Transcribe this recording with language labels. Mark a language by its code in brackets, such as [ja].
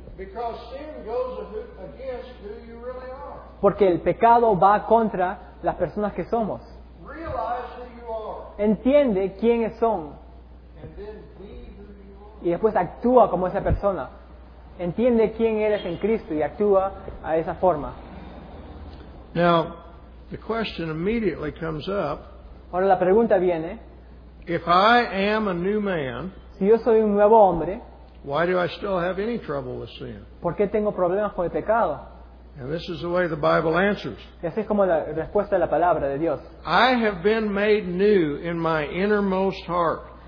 [en] Because sin goes against who you really are. [es] Porque el pecado va contra las personas que somos. [en] Realize who you are. [es] Entiende quiénes son. [en] And then be who you are. [es] Y después actúa como esa persona. Entiende quién eres en Cristo y actúa a esa forma. [en] Now, the question immediately comes up. [es] Ahora la pregunta viene. [en] If I am a new man, [es] si yo soy un nuevo hombre, [en] why do I still have any trouble with sin? [es] ¿Por qué tengo problemas con el pecado? [en] And this is the way the Bible answers. [es] Y así es como la respuesta de la palabra de Dios. [en] I have been made new in my innermost heart.